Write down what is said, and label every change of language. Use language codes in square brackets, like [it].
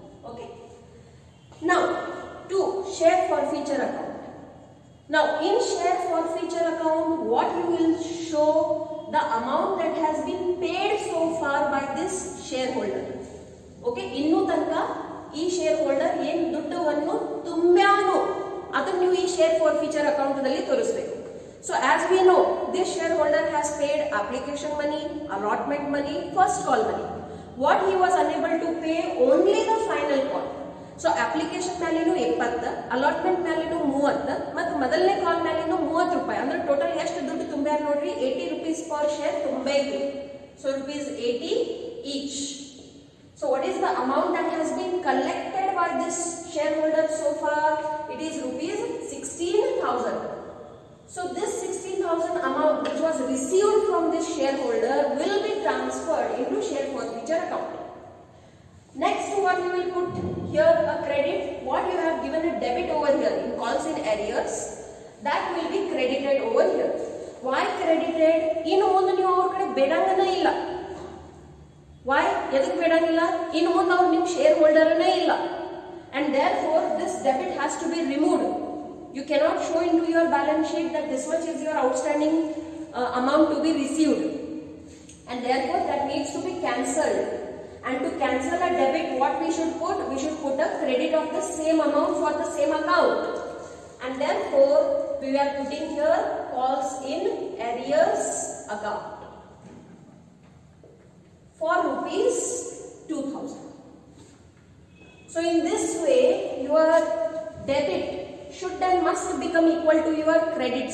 [en] Okay. Now, 2, share forfeiture account. Now, in share forfeiture account, what you will show? The amount that has been paid so far by this shareholder. [kn] Okay, innu tanka ಈ share holder ಏನ್ ದುಡ್ಡವನ್ನು ತುಂಬ್ಯಾನು ಅದನ್ನ ನೀವು ಈ share for future account ನಲ್ಲಿ ತೋರಿಸಬೇಕು. [en] So as we know, this shareholder has paid application money, allotment money, first call money. What he was unable to pay? Only the final call. [kn] So application ಮೇಲಿನೂ 20, allotment ಮೇಲಿನೂ 30, ಮತ್ತು ಮೊದಲನೇ ಕಾಲ್ ಮೇಲಿನೂ 30 ರೂಪಾಯಿ. ಅಂದ್ರೆ total ಎಷ್ಟು ದುಡ್ಡು ತುಂಬ್ಯಾರು ನೋಡ್ರಿ? 80 rupees per share ತುಂಬೈತಿ. [en] So rupees 80 each. So what is the amount that has been collected by this shareholder so far? It is rupees 16,000. So this 16,000 amount which was received from this shareholder will be transferred into share for future account. Next, what you will put here, a credit. What you have given a debit over here in calls in arrears, that will be credited over here. Why credited? [kn] ಇನ್ನು ಮುಂದೆ ನೀವು ಅವ್ರ ಕಡೆ ಬೇಡಂಗನ ಇಲ್ಲ. Y? ಎದಕ್ಕೆ ಬಿಡಂಗಿಲ್ಲ, ಇನ್ ಮುಂದೆ ಅವ್ರು ನಿಮ್ ಶೇರ್ ಹೋಲ್ಡರ್ನೇ ಇಲ್ಲ. [en] And therefore this debit has to be removed. You cannot show into your balance sheet that this much is your outstanding amount to be received. And therefore that needs to be cancelled. And to cancel a debit what we should put, we should put a credit of the same amount for the same account. And therefore we are putting here calls in arrears account for rupees 2000. So in this way your debit should and must become equal to your credit.